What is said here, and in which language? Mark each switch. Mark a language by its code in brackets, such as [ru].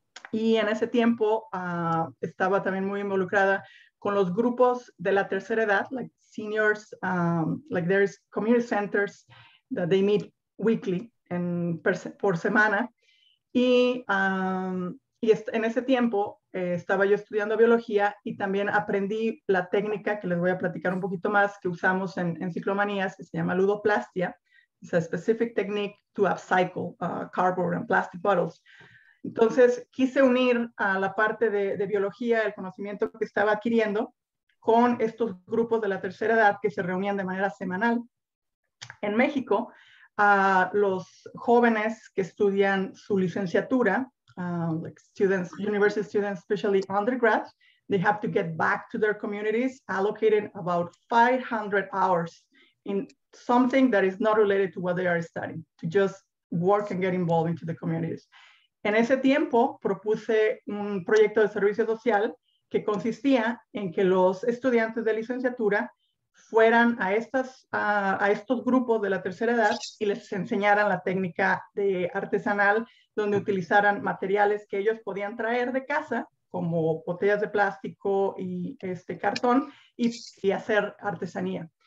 [es] Y en ese tiempo estaba también muy involucrada con los grupos de la tercera edad, [en] like seniors, like there's community centers that they meet weekly, [es] por semana. Y en ese tiempo estaba yo estudiando biología y también aprendí la técnica que les voy a platicar un poquito más que usamos en Ciclomanías, que se llama ludoplastia. [en] It's a specific technique to upcycle cardboard and plastic bottles. [es] Entonces, quise unir a la parte de biología, el conocimiento que estaba adquiriendo, con estos grupos de la tercera edad que se reunían de manera semanal. En México, a los jóvenes que estudian su licenciatura, [en] like students, university students, especially undergrads, they have to get back to their communities, allocated about 500 hours in something that is not related to what they are studying, to just work and get involved into the communities. [es] En ese tiempo, propuse un proyecto de servicio social que consistía en que los estudiantes de licenciatura fueran a estos grupos de la tercera edad y les enseñaran la técnica de artesanal, donde utilizaran materiales que ellos podían traer de casa, como botellas de plástico y cartón, y hacer artesanía.